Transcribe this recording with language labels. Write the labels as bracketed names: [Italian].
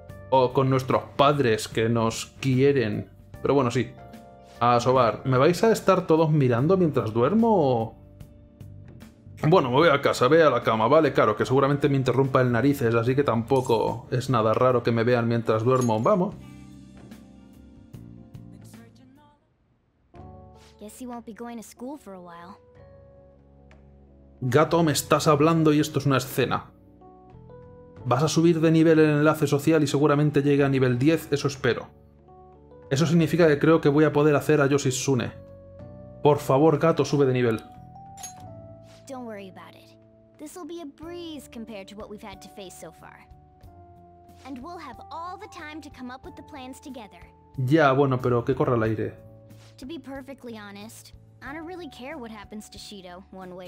[Spanish] O con nuestros padres que nos quieren. Pero bueno, sí. A sobar, ¿me vais a estar todos mirando mientras duermo o...? Bueno, me voy a casa, ve a la cama, vale, claro, que seguramente me interrumpa el narices, así que tampoco es nada raro que me vean mientras duermo, vamos. [English] Guess you won't be going to school for a while. [Spanish] Gato, me estás hablando y esto es una escena. Vas a subir de nivel el enlace social y seguramente llegue a nivel 10, eso espero. Eso significa que creo que voy a poder hacer a Yoshitsune. Por favor, Gato, sube de nivel. [English] Don't worry about it. This will be a breeze compared to what we've had to face so far. And we'll have all the time to come up with the plans together. [Spanish] Ya, bueno, pero que corra el aire. [English] To be perfectly honest, I don't really care what happens to Shido one way